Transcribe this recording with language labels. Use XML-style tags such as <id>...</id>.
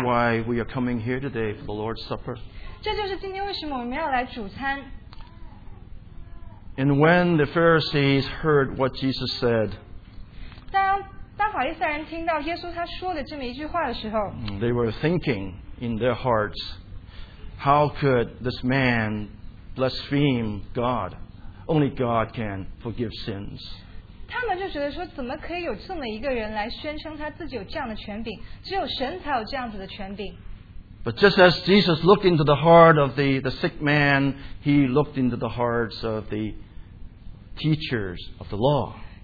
<en>That's why we are coming here today for the Lord's Supper.</en> <zh>这就是今天为什么我们要来主餐。</zh> <en>And when the Pharisees heard what Jesus said,</en> <zh>当法利赛人听到耶稣他说的这么一句话的时候,</zh> <en>they were thinking in their hearts, how could this man blaspheme God? Only God can forgive sins.</en> <zh>他们就觉得说怎么可以有这么一个人来宣称他自己有这样的权柄，只有神才有这样子的权柄。</zh> <en>But just as Jesus looked into the heart of the sick man, he looked into the hearts of the teachers of the law.</en>